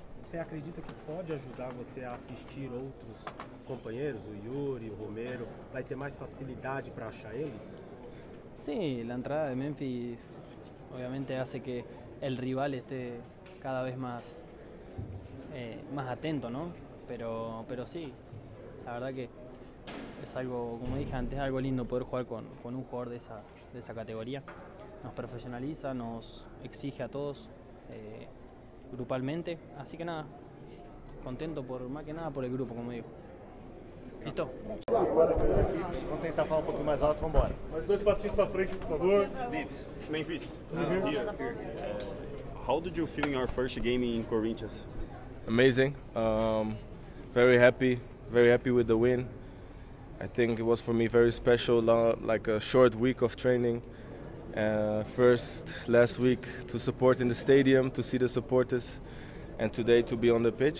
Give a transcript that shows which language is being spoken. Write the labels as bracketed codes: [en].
[pt] Você acredita que pode ajudar você a assistir outros companheiros, o Yuri, o Romero? Vai ter mais facilidade para achar eles? [es] Sim, la entrada de Memphis obviamente hace que el rival esté cada vez más, más atento, ¿no? Pero sí, la verdad que es algo, como dije antes, algo lindo poder jugar con un jugador de esa categoría. Nos profesionaliza, nos exige a todos grupalmente. Así que nada, contento por más que nada por el grupo, como digo. ¿Listo? [pt] Vamos tentar falar um pouquinho mais alto, vamos embora. Mais dois passinhos para frente, por favor. Memphis. [en] How did you feel in your first game in Corinthians? Amazing. Very happy with the win. I think it was for me very special, like a short week of training. First last week to support in the stadium, to see the supporters, and today to be on the pitch.